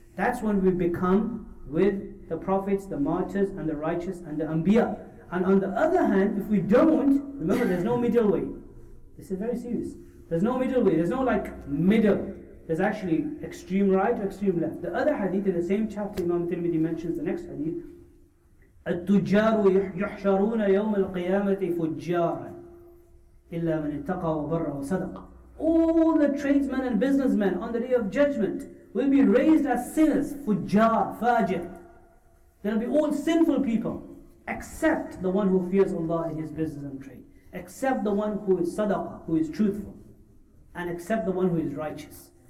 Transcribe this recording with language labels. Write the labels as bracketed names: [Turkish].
[English] That's when we become with the prophets, the martyrs, and the righteous, and the anbiya. And on the other hand, if we don't, remember there's no middle way. This is very serious. There's no middle way. There's no like middle. There's actually extreme right, extreme left. The other hadith in the same chapter, Imam Tirmidhi mentions the next hadith. [Arabic] التجار يحشرون يوم القيامة فجارا إلا من اتقى وبر وصدق. [English] All the tradesmen and businessmen on the day of judgment will be raised as sinners, fujjar, fajir. They'll be all sinful people, except the one who fears Allah in his business and trade, except the one who is sadaqah, who is truthful, and except the one who is righteous.